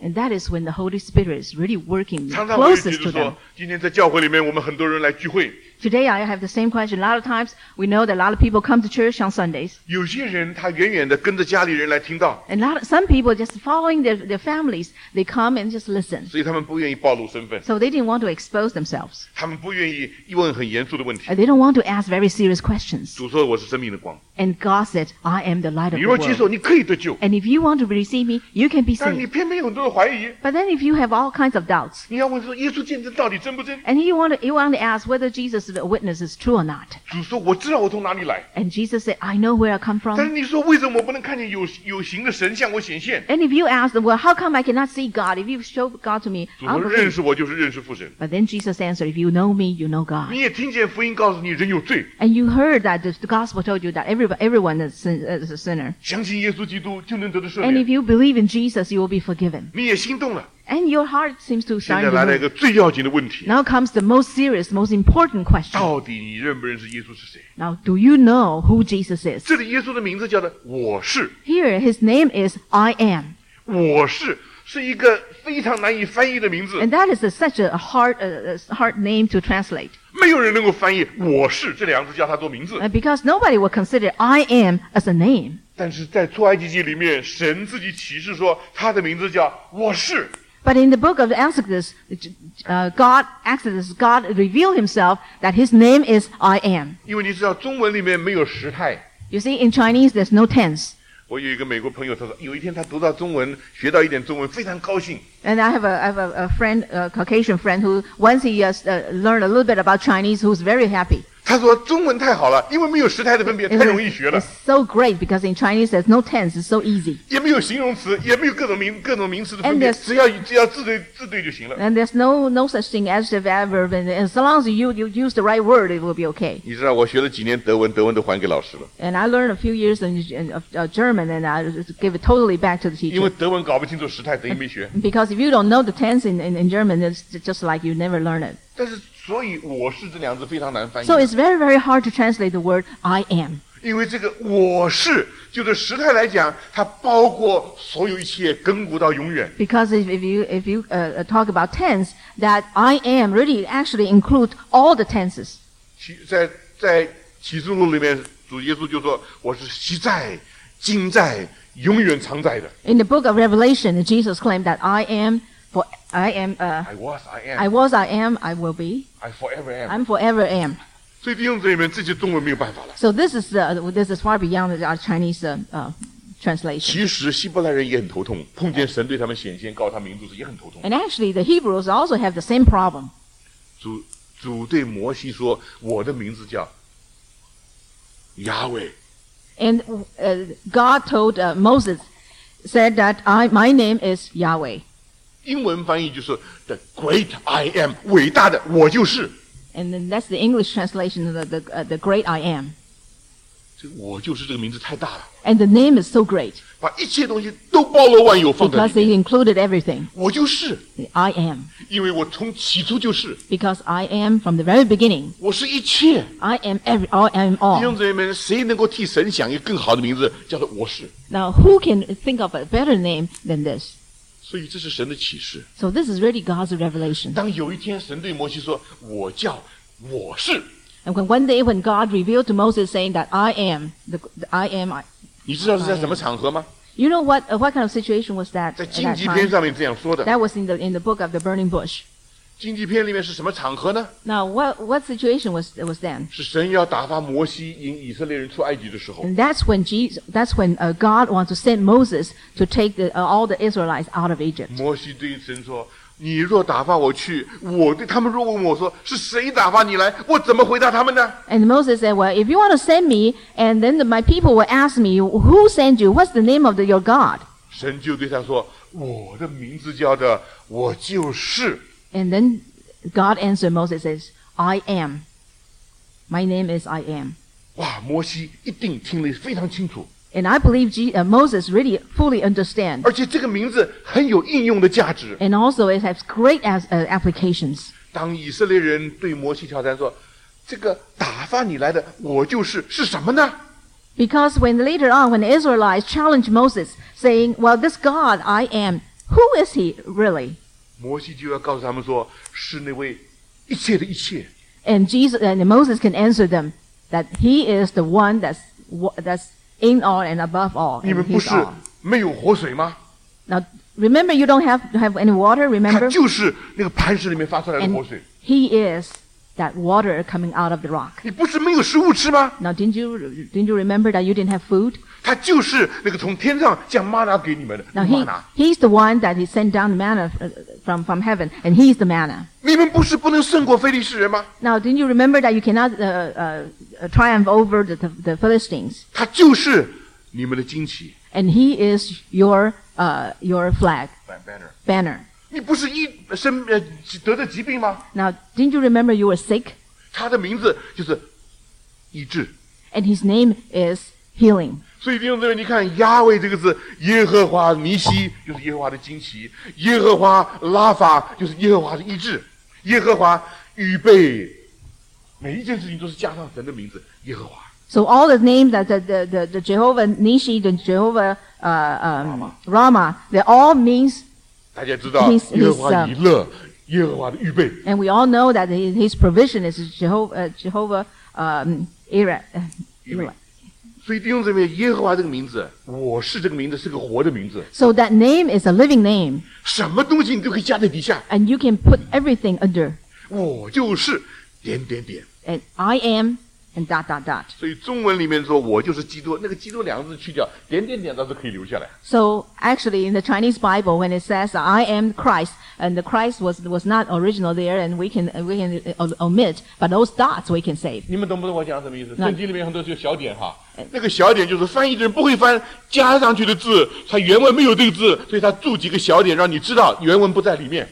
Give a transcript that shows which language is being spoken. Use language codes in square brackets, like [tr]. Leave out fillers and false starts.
[en] and that is when the Holy Spirit is really working closest to them [zh] 今天在教会里面我们很多人来聚会 [en] today I have the same question a lot of times we know that a lot of people come to church on Sundays [zh] 有些人他远远的跟着家里人来听到 [en] and some people just following their families they come and just listen [zh] 所以他们不愿意暴露身份 [en] so they didn't want to expose themselves [zh] 他们不愿意问很严肃的问题。 [en] They don't want to ask very serious questions. [zh] 主说我是生命的光。 [en] And God said, I am the light of the world. [zh] 你若接受，你可以得救。 [en] And if you want to receive me, you can be saved. [zh] 但你偏偏有很多的怀疑。 [en] But then if you have all kinds of doubts. [zh] 你要问说耶稣见证到底真不真 [en] ？And you want to ask whether Jesus the witness is true or not. [zh] 主说我知道我从哪里来。 [en] And Jesus said, I know where I come from. [zh] 但你说为什么我不能看见有形的神向我显现 [en] ？And if you ask, well, how come I cannot see God? If you show God to me, [zh] 主说认识我就是认识父神。 [en] But then Jesus answered, if you know me, you know God. [zh] 你也听见福音告诉你人有罪。 [en] And you heard that the gospel told you that everyone is a sinner. [zh] 相信耶稣基督就能得到赦免。 [en] And if you believe in Jesus, you will be forgiven. [zh] 你也心动了。 [en] And your heart seems to shine. [zh] 现在来了一个最要紧的问题。 [en] Now comes the most serious, most important question. [zh] 到底你认不认识耶稣是谁 [en] ？Now, do you know who Jesus is? [zh] 这里耶稣的名字叫做我是。 [en] Here, his name is I am. [zh] 我是。是一个非常难以翻译的名字。 [en] And that is such a hard name to translate. [zh] 没有人能够翻译我是这两个字叫它做名字。 [en] Because nobody would consider I am as a name. [zh] 但是在出埃及记里面神自己启示说他的名字叫我是。 [en] But in the book of Exodus, God revealed himself that his name is I am. [zh] 因为你知道中文里面没有时态。 [en] You see, in Chinese, there's no tense. [zh] 我有一个美国朋友他说有一天他读到中文学到一点中文非常高兴 [en] and I have a friend a Caucasian friend who once he has learned a little bit about Chinese who's very happy [zh] 他说中文太好了因为没有时态的分别 [en] it's, [zh] 太容易学了 [en] it's so great because in Chinese there's no tense it's so easy [zh] 也没有形容词也没有各种名词的分别只要字对就行了 [en] and there's no such thing as adjective adverb and as long as you use the right word it will be okay [zh] 你知道我学了几年德文都还给老师了 [en] and I learned a few years of German and I gave it totally back to the teacher [zh] 因为德文搞不清楚时态等于没学 [en] because if you don't know the tense in German it's just like you never learn it [zh] 但是所以我是这两个字非常难翻译 [en] So it's very very hard to translate the word I am [zh] 因为这个我是就对时态来讲它包括所有一切亘古到永远 [en] because if you talk about tense that I am really actually include all the tenses [zh] 在启示录里面主耶稣就说我是昔在今在永远常在的 [en] in the book of Revelation Jesus claimed that I am, I was, I am, I will be, I forever am. [zh] 所以弟兄姊妹们，这些中文没有办法了。 [en] So this is far beyond our Chinese translation. [zh] 其实希伯来人也很头痛，碰见神对他们显现，告诉他名字时也很头痛。 [en] And actually, the Hebrews also have the same problem. [zh] 主对摩西说：“我的名字叫亚伟。” [en] And God told Moses, said that my name is Yahweh. [zh] 英文翻译就是 [en] "The Great I Am"， [zh] 伟大的我就是。 [en] And then that's the English translation of the great I am. [zh] 这个我就是这个名字太大了。 [en] And the name is so great. [zh] 把一切东西都包罗万有放在里面。 [en] Because it included everything. [zh] 我就是。 [en] I am. [zh] 因为我从起初就是。 [en] Because I am from the very beginning. [zh] 我是一切。 [en] I am every, I am all. [zh] 弟兄姊妹们，谁能够替神想一个更好的名字，叫做我是。 [en] Now who can think of a better name than this? [zh] 所以这是神的启示。 [en] So this is really God's revelation. [zh] 当有一天神对摩西说，我叫我是。 [en] And when one day when God revealed to Moses saying that I am, I am. [zh] 你知道是在什么场合吗？ [en] You know what kind of situation was that? [zh] 在荆棘篇上面这样说的。 [en] That was in the book of the burning bush. [zh] 荆棘篇里面是什么场合呢？ [en] Now what situation was then? [zh] 是神要打发摩西引以色列人出埃及的时候。 [en] And that's when God wants to send Moses to take all the Israelites out of Egypt. [zh] 摩西对神说，你若打发我去，我对他们若问我说是谁打发你来，我怎么回答他们呢？ [en] And Moses said, well, if you want to send me, and then my people will ask me, who sent you? What's the name of your God? [zh] 神就对他说，我的名字叫的我就是。 [en] And then God answered Moses, says, I am. My name is I am. [zh] 哇，摩西一定听得非常清楚。 [en] And I believe Moses really fully understands. [zh] 而且这个名字很有应用的价值。 [en] And also it has great applications. [zh] 当以色列人对摩西挑战说，这个打发你来的我就是，是什么呢？ [en] Because when later on, when the Israelites challenged Moses, saying, well, this God I am, who is he really? [zh] 摩西就要告诉他们说，是那位一切的一切。 [en] And Jesus, and Moses can answer them that he is the one that's in all and above all. [zh] 你们不是没有活水吗？ [en] Now, remember you don't have any water, remember? [zh] 他就是那个磐石里面发出来的活水。 [en] And he is that water coming out of the rock. [zh] 你不是没有食物吃吗？ [en] Now, didn't you remember that you didn't have food? [zh] 他就是那个从天上降玛拿给你们的。 [en] Now, he's the one that he sent down the manna from heaven, and he's the manna. [zh] 你们不是不能胜过非利士人吗？ [en] Now, didn't you remember that you cannot triumph over the Philistines? [zh] 他就是你们的旌旗。 [en] And he is your flag. [zh] Banner. 你不是得的疾病吗？ [en] Now, didn't you remember you were sick? [zh] 他的名字就是医治。 [en] And his name is healing. [zh] 所以弟兄姊妹，你看亚伟这个字，耶和华尼西就是耶和华的旌旗，耶和华拉法就是耶和华的医治，耶和华预备。每一件事情都是加上神的名字耶和华。 [en] So all the names that the Jehovah Nishi, the Jehovah Rama, they all means. [zh] 大家知道耶和华以勒，耶和华的预备。 [en] And we all know that his provision is Jehovah Ira. [zh] 所以弟兄姊妹，耶和华这个名字，我是这个名字是个活的名字。 [en] So that name is a living name. [zh] 什么东西你都可以加在底下。 [en] And you can put everything under. [zh] 我就是。点点点 [en] and I am and dot dot dot [zh] 所以中文里面说我就是基督那个基督两个字去掉点点点倒是可以留下来 [en] so actually in the Chinese Bible when it says I am Christ and the Christ was not original there and we can omit but those dots we can save [zh] 你们懂不懂我讲什么意思圣经里面很多就小点哈那个小点就是翻译的人不会翻加上去的字它原文没有这个字所以它注几个小点让你知道原文不在里面